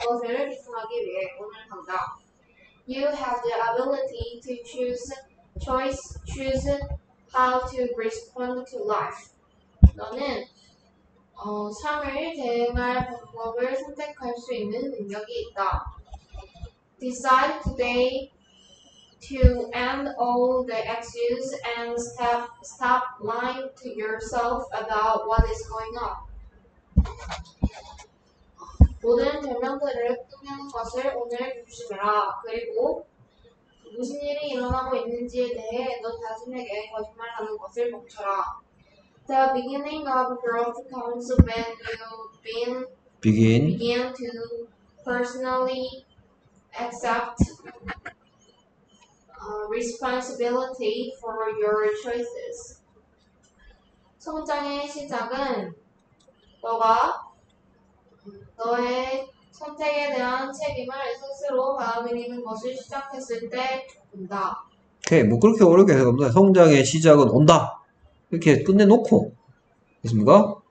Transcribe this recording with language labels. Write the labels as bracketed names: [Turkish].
[Korean] 그것을 개선하기 위해 오늘 간다. [English] You have the ability to choose how to respond to life. [Korean] 너는 삶을 대응할 방법을 선택할 수 있는 능력이 있다. [English] Decide today to end all the excuses and stop lying to yourself about what is going on. [Korean] 모든 변명들을 꾸미는 것을 오늘 조심해라. 그리고 무슨 일이 일어나고 있는지에 대해 너 자신에게 거짓말하는 것을 멈춰라. [English] The beginning of growth comes when you Begin. begin to personally accept responsibility for your choices. [Korean] 성장의 시작은 너의 선택에 대한 책임을 스스로 받아들이는 것을 시작했을 때 온다. 오케이, 뭐 그렇게 어렵게 해석합니다. 성장의 시작은 온다. 이렇게 끝내놓고. 있습니까?